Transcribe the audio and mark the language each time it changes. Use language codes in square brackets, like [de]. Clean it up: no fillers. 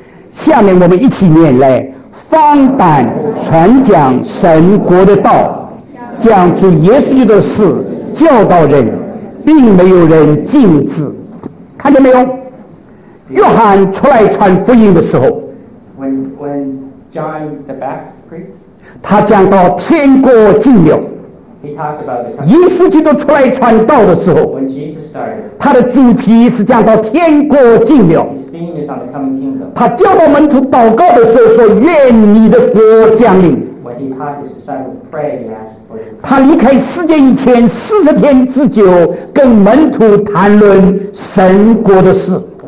[zh] 下面我们一起念来，放胆传讲神国的道，讲主耶稣的事，教导人，并没有人禁止。看见没有？约翰出来传福音的时候， [en] when John the Baptist preached, [zh] 他讲到天国近了。 [en] He talked about the [zh] 耶稣基督出来传道的时候， [en] when Jesus started, [zh] 他的主题是讲到天国近了。 [en] His theme is on the coming kingdom. [zh] 他教导门徒祷告的时候说，愿你的国降临。 [en] When he taught his disciples pray, he asked for his kingdom. [zh] 他离开世界以前40天之久跟门徒谈论神国的事。